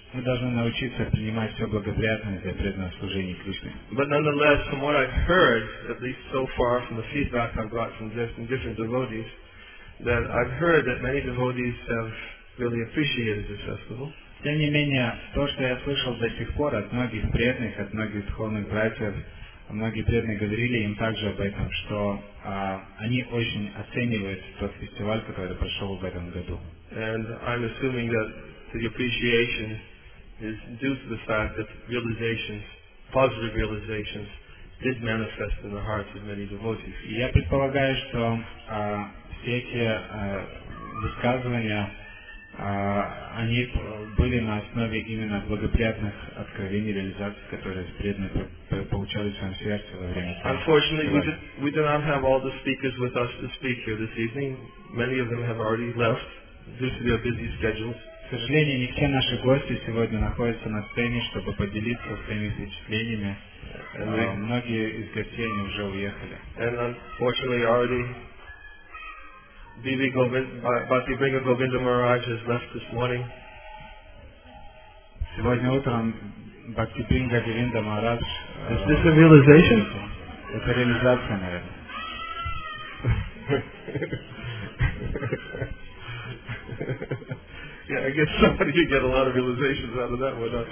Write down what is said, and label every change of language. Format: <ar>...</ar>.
<ru>Мы должны научиться принимать все благоприятное для преданного служения Кришне.</ru> <en>But nonetheless, from what I've heard, at least so far from the feedback I've got from different devotees, that I've heard that many devotees have really appreciated this festival.</en> <ru>Тем не менее, то, что я слышал до сих пор от многих преданных, от многих духовных братьев, многие преданные говорили им также об этом, что они очень оценивают тот фестиваль, который прошел в этом году.</ru> <en>And I'm assuming that the appreciation is due to the fact that realizations, positive realizations, did manifest in the hearts of many devotees.</en> <ru>И я предполагаю, что все эти высказывания, они были на основе именно благоприятных откровений, реализаций, которые преданные получали в своем сердце во время.</ru> <en>Unfortunately, we do not have all the speakers with us to speak here this evening. Many of them have already left due to their busy schedules.</en> <ru>К сожалению, не все наши гости сегодня находятся на сцене, чтобы поделиться своими впечатлениями. Многие из гостей уже уехали.</ru> <en>And unfortunately, already Bhakti Vrinda Govinda Maharaj has left this morning.</en> <ru>Сегодня утром Бхакти Бринга Говинда Махарадж.</ru> <en>Is this a realization?</en> <ru>Это реализация, наверное.</ru> <en>Yeah, I guess somebody could get a lot of realizations out of that one.</en>